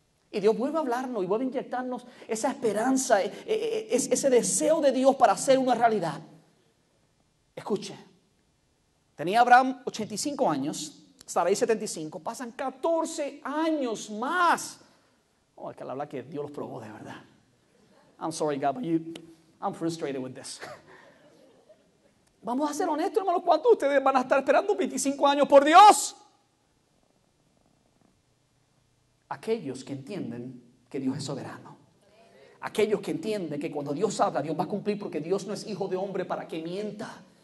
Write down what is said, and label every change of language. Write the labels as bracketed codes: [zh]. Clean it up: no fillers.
[es] Y Dios vuelve a hablarnos y vuelve a inyectarnos esa esperanza, ese deseo de Dios para hacer una realidad. Escuche, tenía Abraham 85 años. Sarai 75, pasan 14 años más. Oh, es que la verdad que Dios los probó de verdad. [en] I'm sorry, God, but I'm frustrated with this. [es] Vamos a ser honestos, hermano, ¿cuánto ustedes van a estar esperando 25 años por Dios? Aquellos que entienden que Dios es soberano. Aquellos que entienden que cuando Dios habla, Dios va a cumplir porque Dios no es hijo de hombre para que mienta.